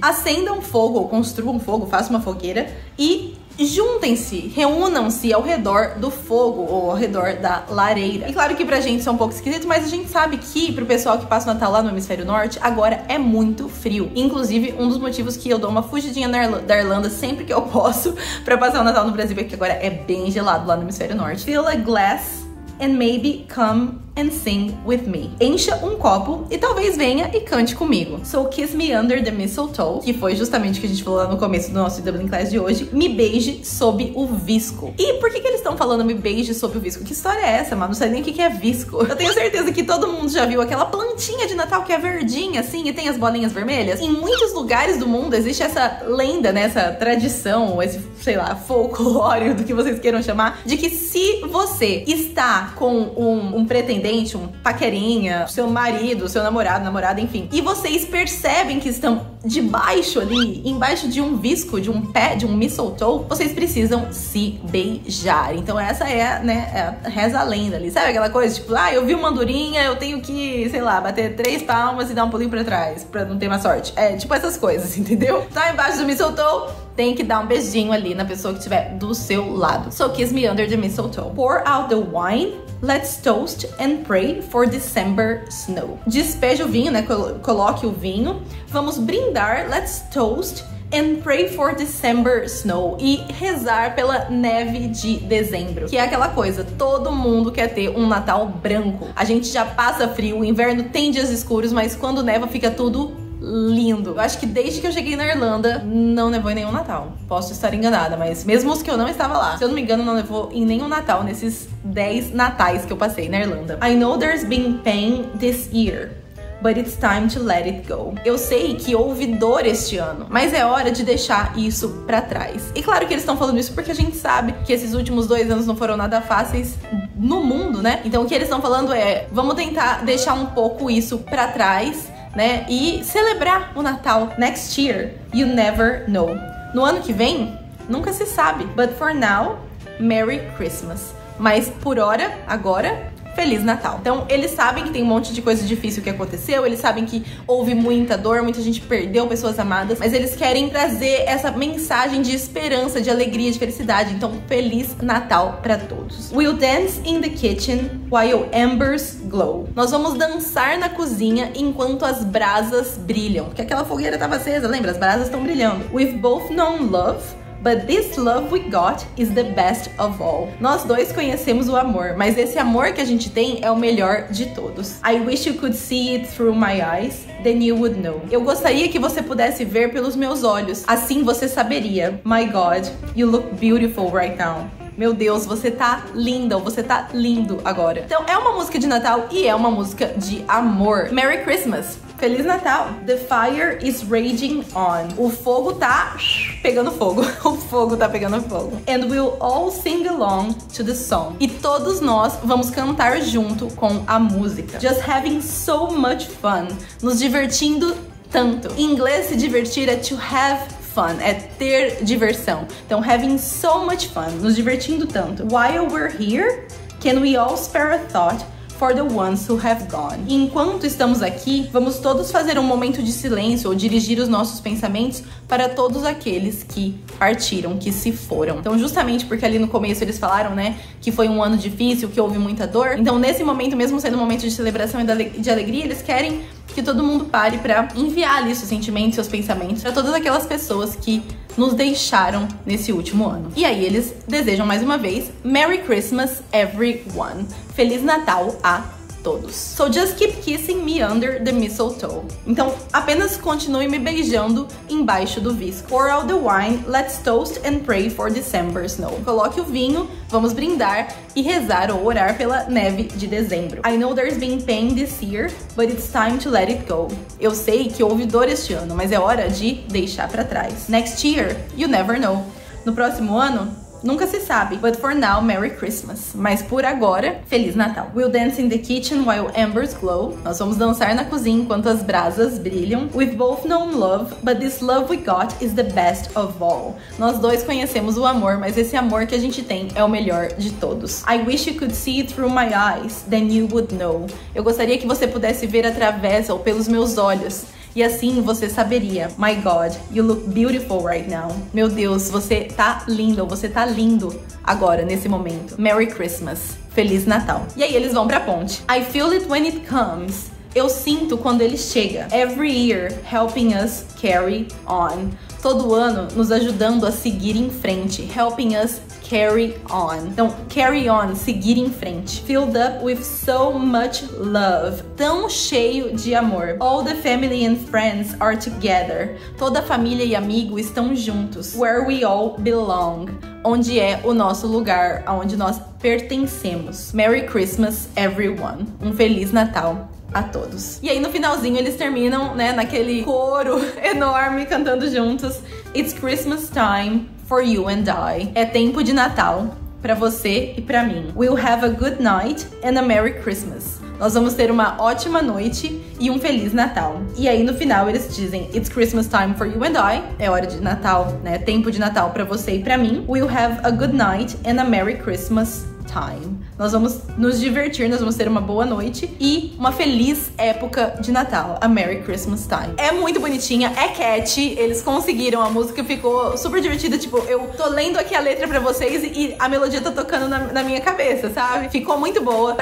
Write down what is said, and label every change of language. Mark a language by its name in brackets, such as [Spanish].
[Portuguese] Acenda um fogo, ou construa um fogo, faça uma fogueira e juntem-se, reúnam-se ao redor do fogo, ou ao redor da lareira. E claro que pra gente isso é um pouco esquisito, mas a gente sabe que pro pessoal que passa o Natal lá no Hemisfério Norte, agora é muito frio. Inclusive, um dos motivos que eu dou uma fugidinha da Irlanda sempre que eu posso pra passar o Natal no Brasil, porque agora é bem gelado lá no Hemisfério Norte. [English] Fill a glass and maybe come and sing with me. [Portuguese] Encha um copo e talvez venha e cante comigo. [English] So kiss me under the mistletoe, [Portuguese] que foi justamente o que a gente falou lá no começo do nosso Dublin Class de hoje. Me beije sob o visco. E por que que eles estão falando me beije sob o visco? Que história é essa, mano? Não sei nem o que que é visco. Eu tenho certeza que todo mundo já viu aquela plantinha de Natal que é verdinha assim e tem as bolinhas vermelhas. Em muitos lugares do mundo existe essa lenda, né? Essa tradição, esse, sei lá, folclore, do que vocês queiram chamar, de que se você está com um pretendente, um paquerinha, seu marido, seu namorado, namorada, enfim, e vocês percebem que estão debaixo ali, embaixo de um visco, de um pé, de um mistletoe, vocês precisam se beijar. Então essa é, né, é a reza lenda ali. Sabe aquela coisa, tipo, ah, eu vi uma andorinha, eu tenho que, sei lá, bater três palmas e dar um pulinho pra trás, pra não ter má sorte. É, tipo essas coisas, entendeu? Tá embaixo do mistletoe, tem que dar um beijinho ali na pessoa que estiver do seu lado. [English] So kiss me under the mistletoe. Pour out the wine, let's toast and pray for December snow. [Portuguese] Despeje o vinho, né? Coloque o vinho. Vamos brindar, [English] let's toast and pray for December snow. [Portuguese] E rezar pela neve de dezembro. Que é aquela coisa, todo mundo quer ter um Natal branco. A gente já passa frio, o inverno tem dias escuros, mas quando neva fica tudo lindo. Eu acho que desde que eu cheguei na Irlanda, não nevou em nenhum Natal. Posso estar enganada, mas mesmo os que eu não estava lá, se eu não me engano, não nevou em nenhum Natal nesses 10 Natais que eu passei na Irlanda. [English] I know there's been pain this year, but it's time to let it go. [Portuguese] Eu sei que houve dor este ano, mas é hora de deixar isso pra trás. E claro que eles estão falando isso porque a gente sabe que esses últimos 2 anos não foram nada fáceis no mundo, né? Então o que eles estão falando é, vamos tentar deixar um pouco isso pra trás, né? E celebrar o Natal. [English] Next year, you never know. [Portuguese] No ano que vem, nunca se sabe. [English] But for now, Merry Christmas. [Portuguese] Mas por hora, agora, Feliz Natal. Então eles sabem que tem um monte de coisa difícil que aconteceu, eles sabem que houve muita dor, muita gente perdeu pessoas amadas, mas eles querem trazer essa mensagem de esperança, de alegria, de felicidade. Então Feliz Natal pra todos. [English] We'll dance in the kitchen while embers glow. [Portuguese] Nós vamos dançar na cozinha enquanto as brasas brilham. Porque aquela fogueira tava acesa, lembra? As brasas estão brilhando. [English] We've both known love But this love we got is the best of all. [Portuguese] Nós dois conhecemos o amor, mas esse amor que a gente tem é o melhor de todos. [English] I wish you could see it through my eyes, then you would know. [Portuguese] Eu gostaria que você pudesse ver pelos meus olhos, assim você saberia. [English] My God, you look beautiful right now. [Portuguese] Meu Deus, você tá linda, você tá lindo agora. Então é uma música de Natal e é uma música de amor. [English] Merry Christmas! [Portuguese] Feliz Natal! [English] The fire is raging on. [Portuguese] O fogo tá pegando fogo. O fogo tá pegando fogo. [English] And we'll all sing along to the song. [Portuguese] E todos nós vamos cantar junto com a música. [English] Just having so much fun. [Portuguese] Nos divertindo tanto. Em inglês, se divertir é [English] to have fun, [Portuguese] é ter diversão. Então, [English] having so much fun, [Portuguese] nos divertindo tanto. [English] While we're here, can we all spare a thought for the ones who have gone? [Portuguese] Enquanto estamos aqui, vamos todos fazer um momento de silêncio ou dirigir os nossos pensamentos para todos aqueles que partiram, que se foram. Então, justamente porque ali no começo eles falaram, né, que foi um ano difícil, que houve muita dor. Então, nesse momento, mesmo sendo um momento de celebração e de alegria, eles querem que todo mundo pare para enviar ali seus sentimentos, seus pensamentos para todas aquelas pessoas que nos deixaram nesse último ano. E aí eles desejam mais uma vez [English] Merry Christmas, everyone. [Portuguese] Feliz Natal a todos. [English] So just keep kissing me under the mistletoe. [Portuguese] Então apenas continue me beijando embaixo do visco. [English] Pour out the wine, let's toast and pray for December snow. [Portuguese] Coloque o vinho, vamos brindar e rezar ou orar pela neve de dezembro. [English] I know there's been pain this year, but it's time to let it go. [Portuguese] Eu sei que houve dor este ano, mas é hora de deixar pra trás. [English] Next year, you never know. [Portuguese] No próximo ano, nunca se sabe. [English] But for now, Merry Christmas. [Portuguese] Mas por agora, Feliz Natal. [English] We'll dance in the kitchen while embers glow. [Portuguese] Nós vamos dançar na cozinha enquanto as brasas brilham. [English] We've both known love, but this love we got is the best of all. [Portuguese] Nós dois conhecemos o amor, mas esse amor que a gente tem é o melhor de todos. [English] I wish you could see it through my eyes, then you would know. [Portuguese] Eu gostaria que você pudesse ver através ou pelos meus olhos. E assim você saberia. [English] My God, you look beautiful right now. [Portuguese] Meu Deus, você tá lindo. Você tá lindo agora, nesse momento. [English] Merry Christmas. [Portuguese] Feliz Natal. E aí eles vão pra ponte. [English] I feel it when it comes. [Portuguese] Eu sinto quando ele chega. [English] Every year helping us carry on. [Portuguese] Todo ano nos ajudando a seguir em frente. [English] Helping us carry on. [Portuguese] Então, [English] carry on, [Portuguese] seguir em frente. [English] Filled up with so much love. [Portuguese] Tão cheio de amor. [English] All the family and friends are together. [Portuguese] Toda a família e amigo estão juntos. [English] Where we all belong. [Portuguese] Onde é o nosso lugar, aonde nós pertencemos. [English] Merry Christmas, everyone. [Portuguese] Um Feliz Natal a todos. E aí no finalzinho eles terminam, né, naquele coro enorme cantando juntos. [English] It's Christmas time for you and I. [Portuguese] É tempo de Natal pra você e pra mim. [English] We'll have a good night and a Merry Christmas. [Portuguese] Nós vamos ter uma ótima noite e um Feliz Natal. E aí no final eles dizem [English] It's Christmas time for you and I. [Portuguese] É hora de Natal, né? Tempo de Natal pra você e pra mim. [English] We'll have a good night and a Merry Christmas time. [Portuguese] Nós vamos nos divertir, nós vamos ter uma boa noite e uma feliz época de Natal, [English] a Merry Christmas Time. [Portuguese] É muito bonitinha, é catchy, eles conseguiram, a música ficou super divertida, tipo, eu tô lendo aqui a letra pra vocês e a melodia tá tocando na minha cabeça, sabe? Ficou muito boa.